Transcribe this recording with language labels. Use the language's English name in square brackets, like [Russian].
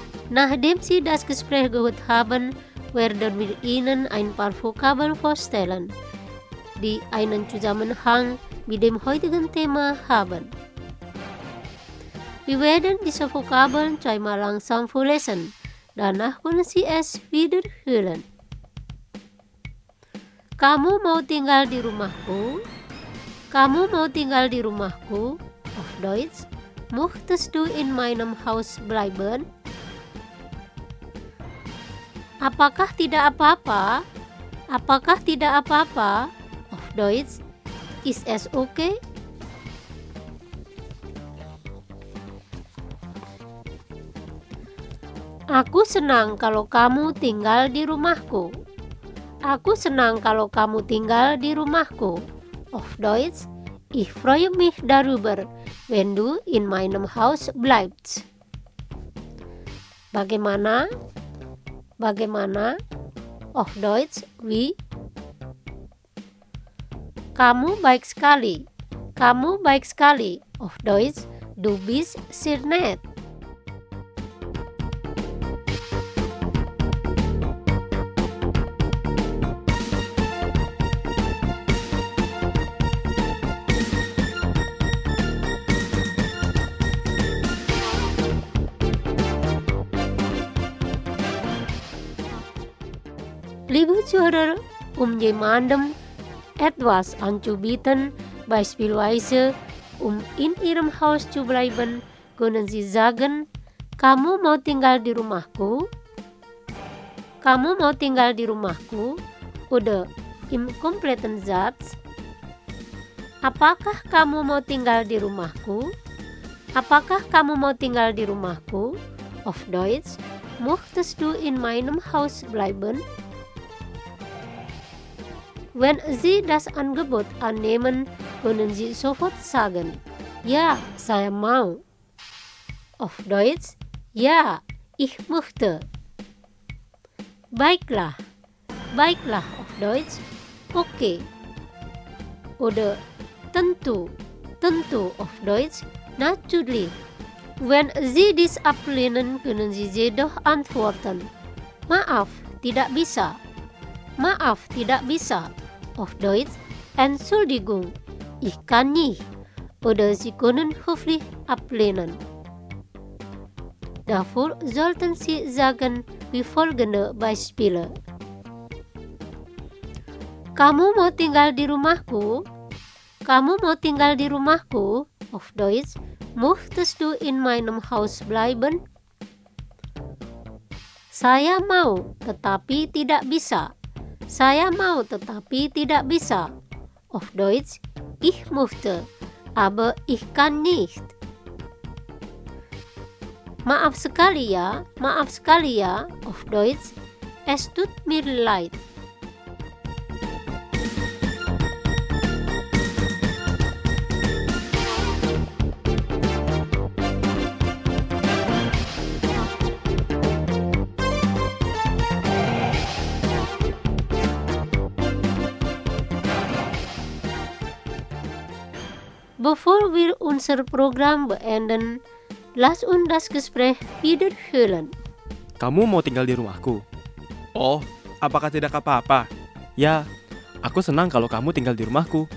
[German] Nachdem Sie das Gespräch gehört haben, werden wir Ihnen ein paar Vokabeln vorstellen, die einen Zusammenhang mit dem heutigen Thema haben. Wir werden diese Vokabeln zweimal langsam vorlesen, danach können Sie es wiederholen. [Indonesian] Kamu mau tinggal di rumahku? Kamu mau tinggal di rumahku? [German] Auf Deutsch, möchtest du in meinem Haus bleiben? [Indonesian] Apakah tidak apa-apa? Apakah tidak apa-apa? [German] Auf Deutsch, ist es okay? [Indonesian] Aku senang kalau kamu tinggal di rumahku. Aku senang kalau kamu tinggal di rumahku. [German] Auf Deutsch, ich freue mich darüber, wenn du in meinem Haus bleibst. [Indonesian] Bagaimana? Bagaimana? [German] Auf Deutsch, wie? [Indonesian] Kamu baik sekali. Kamu baik sekali. [German] Auf Deutsch, du bist sehr nett. Liebe Zuhörer, jemandem etwas anzubieten, beispielsweise in ihrem Haus zu bleiben, können Sie sagen, [Indonesian] kamu mau tinggal di rumahku? Kamu mau tinggal di rumahku? [German] Oder im kompletten Satz, [Indonesian] apakah kamu mau tinggal di rumahku? Apakah kamu mau tinggal di rumahku? [German] Auf Deutsch, möchtest du in meinem Haus bleiben? Wenn Sie das Angebot annehmen, können Sie sofort sagen, ja, [Indonesian] sei mau. [German] Auf Deutsch, ja, ich möchte. [Indonesian] Baiklah. Baiklah [German] auf Deutsch, okay. Oder [Indonesian] tentu, tentu [German] auf Deutsch, natürlich. Wenn Sie dies ablehnen, können Sie jedoch antworten, [Indonesian] maaf, tidak bisa. Maaf, tidak bisa. [German] Auf Deutsch, Entschuldigung, ich kann nicht. Oder Sie können höflich ablehnen. Dafür sollten Sie sagen wie folgende Beispiele. [Indonesian] Kamu mau tinggal di rumahku? Kamu mau tinggal di rumahku? [German] Auf Deutsch, möchtest du in meinem Haus bleiben? [Indonesian] Saya mau, tetapi tidak bisa. Saya mau, tetapi tidak bisa. [German] Auf Deutsch, ich möchte, aber ich kann nicht. [Indonesian] Maaf sekali ya, [German] auf Deutsch, es tut mir leid. Bevor wir unser Programm beenden, lass uns das Gespräch wiederholen. [Indonesian] Kamu mau tinggal di rumahku? Oh, apakah tidak apa-apa? Ya, aku senang kalau kamu tinggal di rumahku.